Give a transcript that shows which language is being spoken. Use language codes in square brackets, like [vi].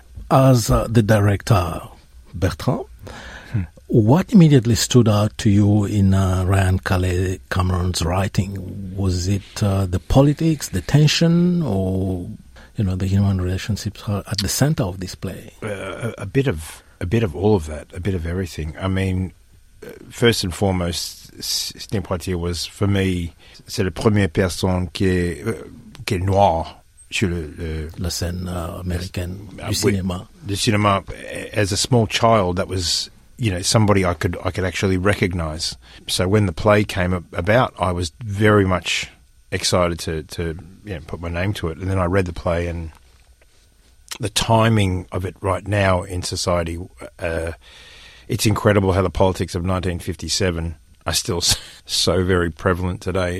[en] As the director, Bertrand, what immediately stood out to you in Ryan Cameron's writing? Was it the politics, the tension, or, you know, the human relationships at the center of this play? A bit of all of that, a bit of everything. I mean, first and foremost, Sidney Poitier was, for me, [fr] c'est la première personne qui est noire sur la scène américaine du cinéma. [en] The cinema, as a small child, that was, you know, somebody I could actually recognize. So when the play came about, I was very much excited to you know, put my name to it. And then I read the play, and the timing of it right now in society, it's incredible how the politics of 1957 are still so very prevalent today.